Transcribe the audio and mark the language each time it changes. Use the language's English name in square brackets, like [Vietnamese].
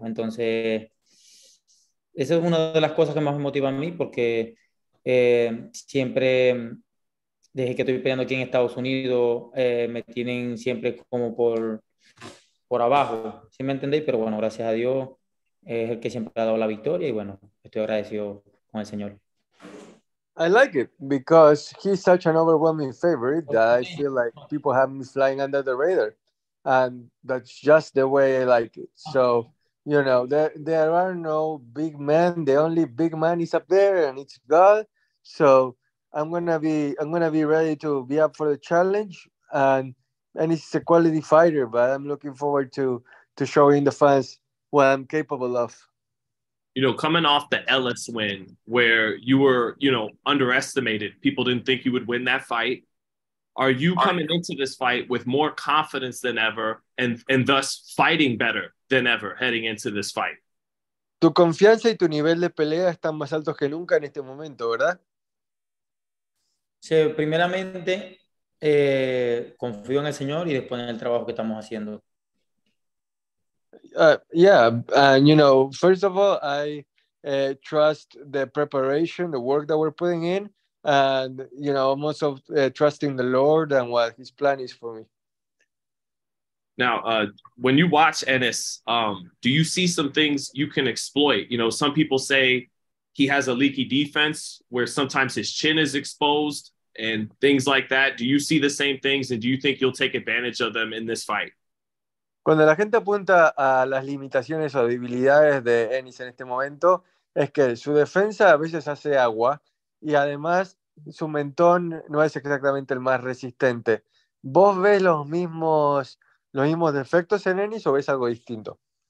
[Spanish] Entonces, esa es una de las cosas que más me motiva a mí, porque siempre, desde que estoy peleando aquí en Estados Unidos, me tienen siempre como por abajo, ¿sí me entendéis? Pero bueno, gracias a Dios, es el que siempre ha dado la victoria, y bueno, estoy agradecido con el Señor. [English] I like it because he's such an overwhelming favorite that I feel like people have me flying under the radar. And that's just the way I like it. So, you know, there are no big men. The only big man is up there and it's God. So I'm gonna be ready to be up for the challenge. And it's a quality fighter, but I'm looking forward to showing the fans what I'm capable of. You know, coming off the Ellis win, where you were, you know, underestimated, people didn't think you would win that fight. Are you coming into this fight with more confidence than ever, and thus fighting better than ever heading into this fight? [Spanish] Tu confianza y tu nivel de pelea están más altos que nunca en este momento, ¿verdad? Sí, primeramente confío en el Señor y después en el trabajo que estamos haciendo. [English] You know, first of all, I trust the preparation, the work that we're putting in, and, you know, most of trusting the Lord and what his plan is for me. Now, when you watch Ennis, do you see some things you can exploit? You know, some people say he has a leaky defense where sometimes his chin is exposed and things like that. Do you see the same things, and do you think you'll take advantage of them in this fight? [Spanish] Cuando la gente apunta a las limitaciones o debilidades de Ennis en este momento, es que su defensa a veces hace agua, y además su mentón no es exactamente el más resistente. ¿Vos ves los mismos defectos en Ennis o ves algo distinto?